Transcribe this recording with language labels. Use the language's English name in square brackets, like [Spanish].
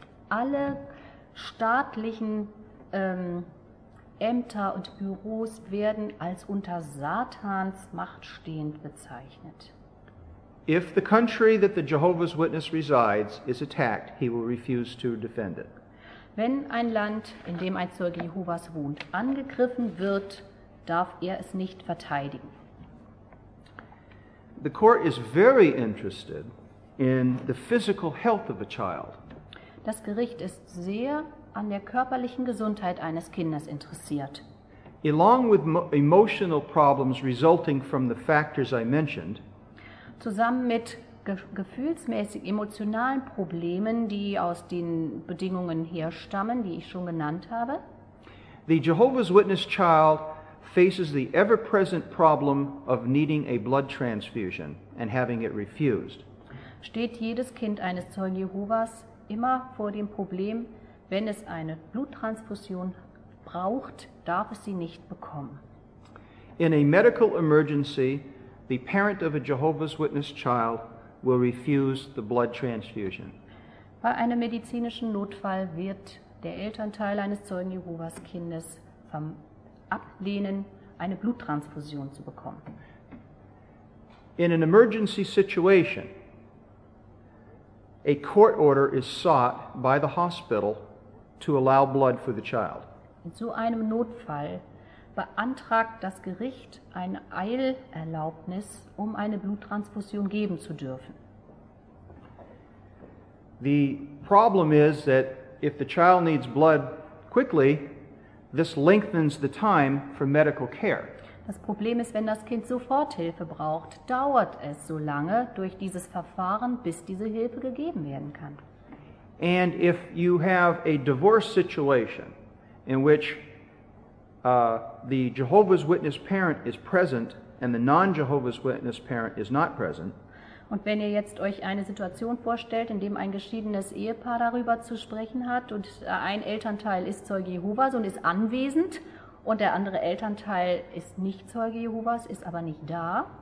[German] Alle staatlichen Ämter und Büros werden als unter Satans Macht stehend bezeichnet. [English] If the country that the Jehovah's Witness resides is attacked, he will refuse to defend it. [German] Wenn ein Land, in dem ein Zeuge Jehovas wohnt, angegriffen wird, darf er es nicht verteidigen. [English] The court is very interested in the physical health of a child. [German] Das Gericht ist sehr an der körperlichen Gesundheit eines Kindes interessiert. [English] Along with emotional problems resulting from the factors I mentioned, [German] zusammen mit gefühlsmäßig emotionalen Problemen, die aus den Bedingungen herstammen, die ich schon genannt habe, [English] the Jehovah's Witness child faces the ever-present problem of needing a blood transfusion and having it refused. [German] Steht jedes Kind eines Zeugen Jehovas immer vor dem Problem, wenn es eine Bluttransfusion braucht, darf es sie nicht bekommen. [English] In a medical emergency, the parent of a Jehovah's Witness child will refuse the blood transfusion. [German] Bei einem medizinischen Notfall wird der Elternteil eines Zeugen Jehovas Kindes ablehnen, eine Bluttransfusion zu bekommen. [English] In an emergency situation, a court order is sought by the hospital to allow blood for the child. [German] In so einem Notfall beantragt das Gericht eine Eilerlaubnis, um eine Bluttransfusion geben zu dürfen. [English] The problem is that if the child needs blood quickly, this lengthens the time for medical care. [German] Das Problem ist, wenn das Kind sofort Hilfe braucht, dauert es so lange durch dieses Verfahren, bis diese Hilfe gegeben werden kann. [English] And if you have a divorce situation in which the Jehovah's Witness parent is present and the non-Jehovah's Witness parent is not present. [German] Und wenn ihr jetzt euch eine Situation vorstellt, in dem ein geschiedenes Ehepaar darüber zu sprechen hat und ein Elternteil ist Zeuge Jehovas und ist anwesend, und der andere Elternteil ist nicht Zeuge Jehovas, ist aber nicht da.